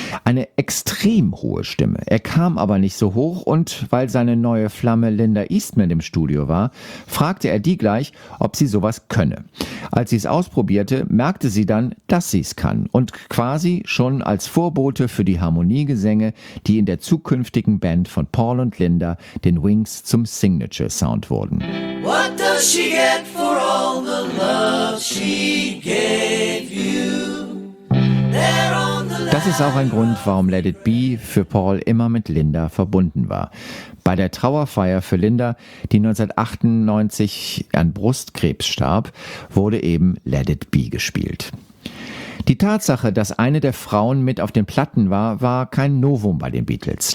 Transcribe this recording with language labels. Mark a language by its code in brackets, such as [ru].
[de] Eine extrem hohe Stimme. Er kam aber nicht so hoch und weil seine neue Flamme Linda Eastman im Studio war, fragte er die gleich, ob sie sowas könne. Als sie es ausprobierte, merkte sie dann, dass sie es kann und quasi schon als Vorbote für die Harmoniegesänge, die in der zukünftigen Band von Paul und Linda, den Wings, zum Signature-Sound wurden. [en] What does she get for all the love she gave you? [de] Das ist auch ein Grund, warum Let It Be für Paul immer mit Linda verbunden war. Bei der Trauerfeier für Linda, die 1998 an Brustkrebs starb, wurde eben Let It Be gespielt. Die Tatsache, dass eine der Frauen mit auf den Platten war, war kein Novum bei den Beatles.